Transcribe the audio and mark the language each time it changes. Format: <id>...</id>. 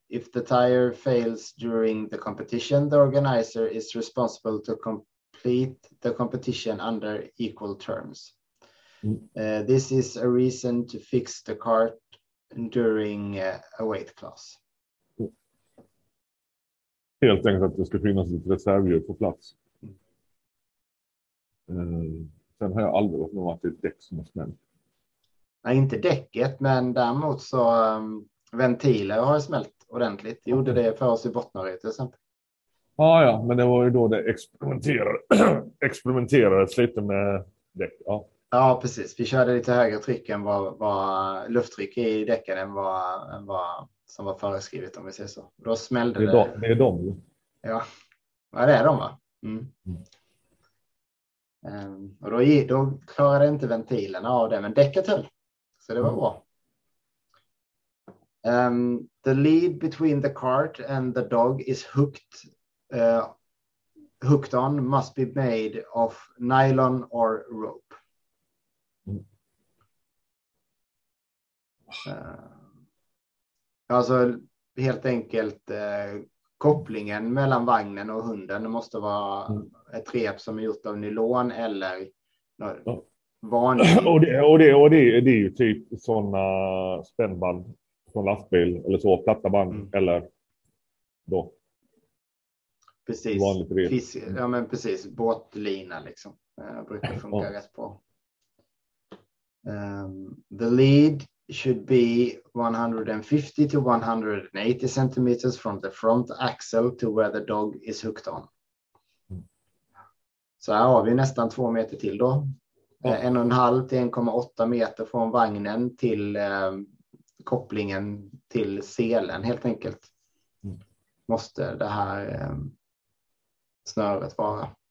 <en>If the tire fails during the competition, the organizer is responsible to complete the competition under equal terms. This is a reason to fix the cart during a weight class.</en> <sv>Helt enkelt att det ska finnas ett reservhjul på plats. Sen har jag aldrig varit med om att det är däck som har smält. Nej, inte däcket, men däremot så ventiler har smält ordentligt. Gjorde det för oss i Bottnaryd till exempel. Ja, men det var ju då det experimenterades lite med däck. Ja. Ja, precis. Vi körde lite högre tryck än vad lufttryck i däcken än vad som var föreskrivet om vi säger så. Då smällde det. Det är de. Ja, vad är det de va? Och då klarade inte ventilerna av det, men däcket höll. Så det var bra.</sv> <en>The lead between the cart and the dog is hooked on must be made of nylon or rope.</en> <sv>Alltså helt enkelt kopplingen mellan vagnen och hunden måste vara ett rep som är gjort av nylon eller vanlig. Och det är ju typ sådana spännband från lastbil eller så, platta band eller då Precis. vanligt rep. Ja, men precis. Båtlina liksom. Brukar funka rätt bra.</sv> <en>The lead should be 150 to 180 cm from the front axle to where the dog is hooked on.</en> <sv>Så här har vi nästan 2 meter till då. En och en halv till 1,8 meter från vagnen till kopplingen till selen helt enkelt. Måste det här snöret vara.</sv>